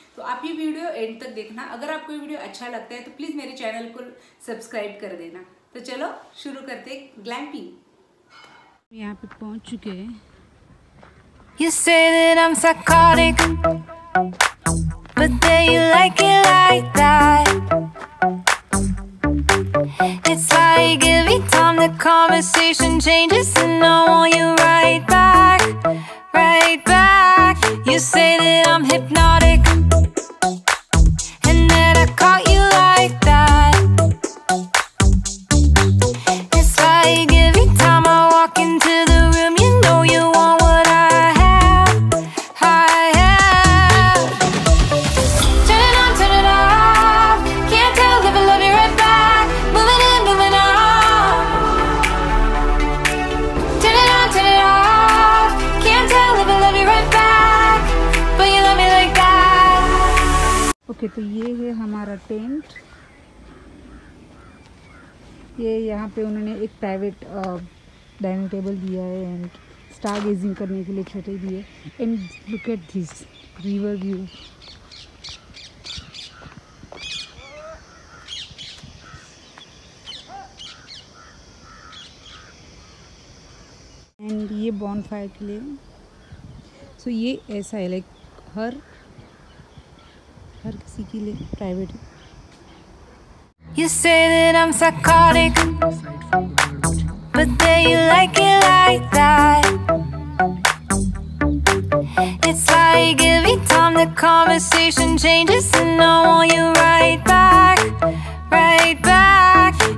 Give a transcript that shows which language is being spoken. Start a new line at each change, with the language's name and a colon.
Hindi: तो आप ये वीडियो एंड तक देखना। अगर आपको ये वीडियो अच्छा लगता है तो प्लीज़ मेरे चैनल को सब्सक्राइब कर देना। तो चलो शुरू करते हैं ग्लैम्पिंग। यहाँ पे पहुँच चुके हैं।
English: It's like every time the conversation changes and I want you right back, right back. You say that I'm hypnotic and that I caught you like that. It's like every time I walk into the room, you know you want what I have, I have. Turn it on, turn it off. Can't tell if I love you right back. Moving in, moving on. Turn it on, turn it off. Can't tell if I love you right back. But you love me like that. Okay, so this is our tent.
Hindi: ये यहाँ पे उन्होंने एक private dining table दिया है and star gazing करने के लिए छोटे दिए।
English: And look at this river view.
Hindi: And ये बॉनफायर के लिए, सो ये ऐसा है लाइक हर किसी के लिए private.
English: You say that I'm psychotic, but then you like it like that. It's like every time the conversation changes and I want you right back, right back.